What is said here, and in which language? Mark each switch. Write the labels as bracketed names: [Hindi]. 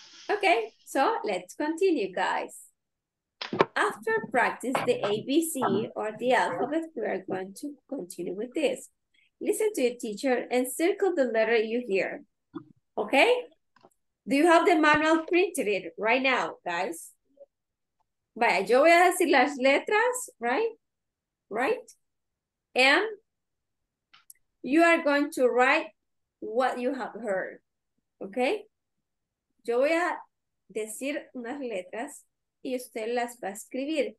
[English] Okay, so let's continue, guys. After practice the ABC or the alphabet, we are going to continue with this. Listen to your teacher and circle the letter you hear. Okay? Do you have the manual printed it right now, guys? [Spanish] Vaya, yo voy a decir las letras, right? [English] Right? And you are going to write what you have heard, okay? [Spanish] Yo voy a decir unas letras y usted las va a escribir.